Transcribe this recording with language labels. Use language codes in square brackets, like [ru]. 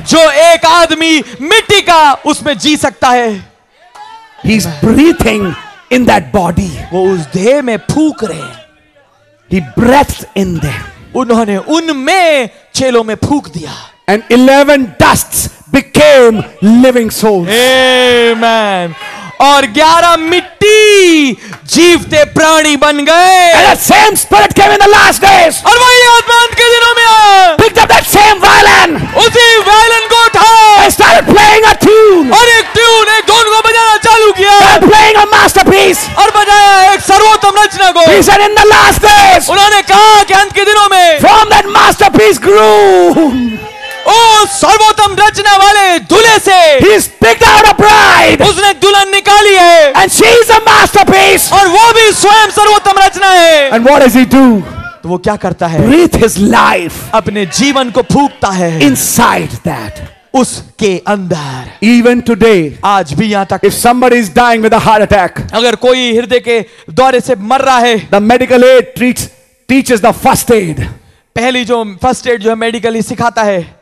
[hi] जो एक आदमी मिट्टी का उसमें जी सकता है, [en] he's breathing in that body, [hi] वो उस देह में फूंक रहे, [en] he breathed in them, [hi] उन्होंने उनमें चेलों में फूंक दिया, [en] and 11 dusts. Became living souls. Amen. [hi] और 11 मिट्टी जीवते प्राणी बन गए. [en] And the same spirit came in the last days. [hi] और वही आत्मा अंत के दिनों में आया. [en] Picked up that same violin. [hi] उसी violin को उठा. [en] And started playing a tune. [hi] और एक tune, एक धुन को बजाना चालू किया. [en] And playing a masterpiece. [hi] और बजाया एक सर्वोत्तम रचना को. [en] He said in the last days. [hi] उन्होंने कहा कि अंत के दिनों में. [en] From that masterpiece grew. [hi] सर्वोत्तम रचना वाले दूल्हे से, [en] he's picked out a bride, [hi] उसने दुल्हन निकाली है, [en] and she is a masterpiece, [hi] और वो भी स्वयं सर्वोत्तम रचना है, [en] and what does he do? [hi] तो वो क्या करता है? [en] Breathe his life, [hi] अपने जीवन को फूंकता है, [en] inside that, [hi] उसके अंदर, [en] even today, [hi] आज भी यहाँ तक, [en] if somebody is dying with a heart attack, [hi] अगर कोई हृदय के दौरे से मर रहा है, [en] the medical aid teaches the first aid, [hi] पहली जो first aid जो medically सिखाता है.